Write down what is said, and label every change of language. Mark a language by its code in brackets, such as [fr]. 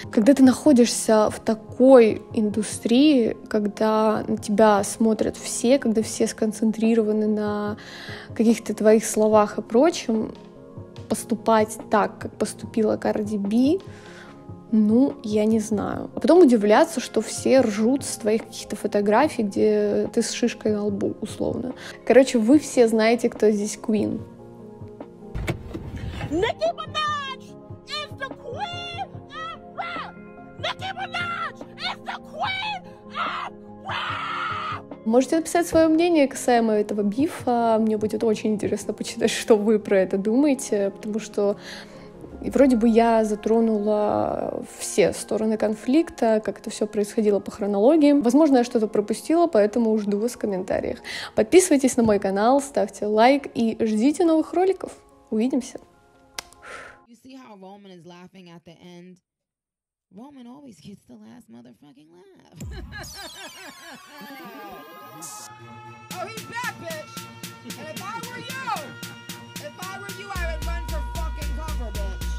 [ru] Когда ты находишься в такой индустрии, когда на тебя смотрят все, когда все сконцентрированы на каких-то твоих словах и прочем, поступать так, как поступила Cardi B, ну, я не знаю. А потом удивляться, что все ржут с твоих каких-то фотографий, где ты с шишкой на лбу, условно. Короче, вы все знаете, кто здесь Queen. [en] Nicki Minaj is the queen of rap! Nicki Minaj is the queen of rap! [ru] Можете написать свое мнение касаемо этого бифа. Мне будет очень интересно почитать, что вы про это думаете, потому что... И вроде бы я затронула все стороны конфликта, как это все происходило по хронологии. Возможно, я что-то пропустила, поэтому жду вас в комментариях. Подписывайтесь на мой канал, ставьте лайк и ждите новых роликов. Увидимся! [en] You see how Roman is laughing at the end? Roman always gets the last motherfucking laugh. Oh, he's back, bitch! And if I were you, I would run for fucking cover, bitch.